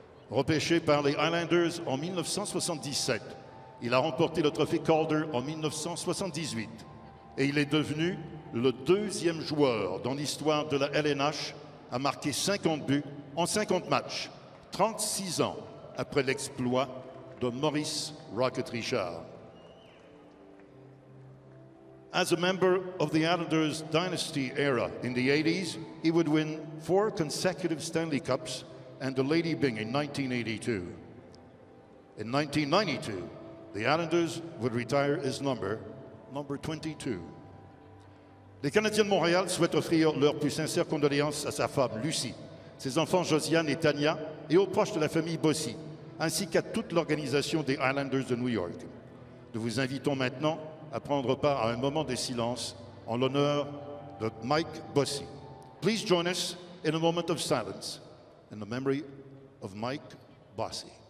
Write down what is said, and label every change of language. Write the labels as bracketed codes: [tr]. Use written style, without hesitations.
[fr] Repêché par les Islanders en 1977, il a remporté le trophée Calder en 1978 et il est devenu le deuxième joueur dans l'histoire de la LNH à marquer 50 buts en 50 matchs, 36 ans après l'exploit de Maurice Rocket Richard. [en] As a member of the Islanders' dynasty era in the 80s, he would win four consecutive Stanley Cups and the Lady Byng in 1982. In 1992, the Islanders would retire his number 22. [fr] Les Canadiens de Montréal souhaitent offrir leurs plus sincères condoléances à sa femme, Lucie, ses enfants Josiane et Tania, et aux proches de la famille Bossy, ainsi qu'à toute l'organisation des Islanders de New York. Nous vous invitons maintenant à prendre part à un moment de silence en l'honneur de Mike Bossy. [en] Please join us in a moment of silence in the memory of Mike Bossy.